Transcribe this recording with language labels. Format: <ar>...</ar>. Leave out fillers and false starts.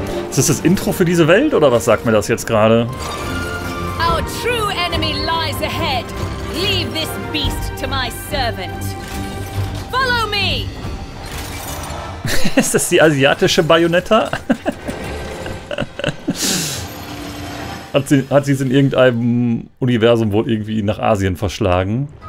<de>Ist das das Intro für diese Welt oder was sagt mir das jetzt gerade?</de> <en>Our true enemy lies ahead. Leave this beast to my servant. Follow me.</en> <de>Ist das die asiatische Bayonetta? Hat sie es in irgendeinem Universum wohl irgendwie nach Asien verschlagen?</de>